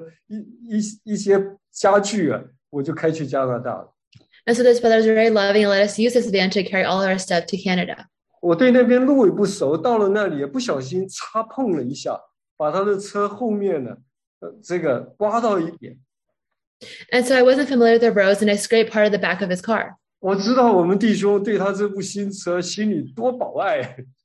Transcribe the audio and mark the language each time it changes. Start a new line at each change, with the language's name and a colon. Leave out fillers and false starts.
Chinese: 我们弟兄很有爱心，他的新车他借给我开，装着我的一些家具啊。
English: And so this brother is very loving and let us use this van to carry all our stuff to Canada.
Chinese: 我对那边路也不熟，到了那里也不小心擦碰了一下，把他的车后面呢，这个刮到一点。
English: And so I wasn't familiar with the roads and I scraped part of the back of his car.
Chinese: 我知道我们弟兄对他这部新车心里多保爱。